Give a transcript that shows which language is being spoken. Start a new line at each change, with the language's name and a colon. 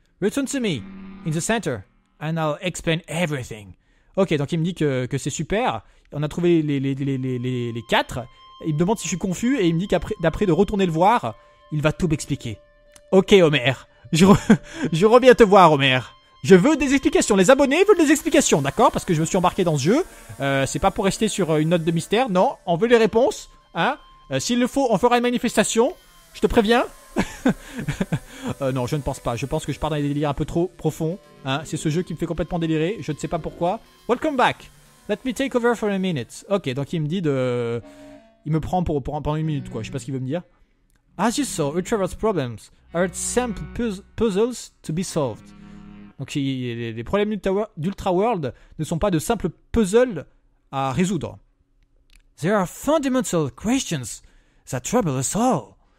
English: Return to me in the center and I'll explain everything.
French: Ok, donc il me dit que c'est super. On a trouvé les quatre. Il me demande si je suis confus et il me dit qu'après de retourner le voir, il va tout m'expliquer. Ok, Homer. Je reviens te voir, Homer. Je veux des explications. Les abonnés veulent des explications, d'accord? Parce que je me suis embarqué dans ce jeu. C'est pas pour rester sur une note de mystère. Non, on veut les réponses. Hein? S'il le faut, on fera une manifestation. Je te préviens. Non, je ne pense pas. Je pense que je pars dans des délires un peu trop profonds. Hein? C'est ce jeu qui me fait complètement délirer. Je ne sais pas pourquoi.
English: Welcome back. Let me take over for a minute.
French: Ok, donc il me dit de... Il me prend pendant une minute, quoi. Je sais pas ce qu'il veut me dire.
English: As you saw, Ultraverse problems are simple puzzles to be solved.
French: Donc, les problèmes d'Ultra World ne sont pas de simples puzzles à résoudre.
English: There are fundamental questions that trouble us all.